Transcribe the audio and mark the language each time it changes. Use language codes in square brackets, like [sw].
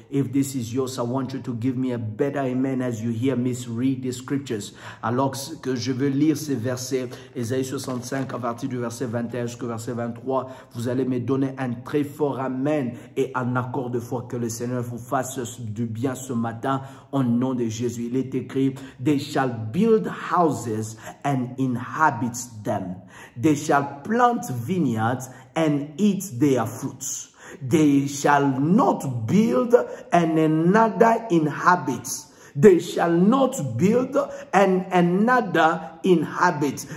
[en] If this is yours, I want you to give me a better amen as you hear me read the scriptures. [fr] Alors que je veux lire ces versets, Esaïe 65 à partir du verset 21 jusqu'au verset 23, vous allez me donner un très fort amen et un accord de foi que le Seigneur vous fasse du bien ce matin au nom de Jésus. Il est écrit, [en] they shall build houses and inhabit them. They shall plant vineyards and eat their fruits. They shall not build and another inhabit. They shall not build and another inhabit.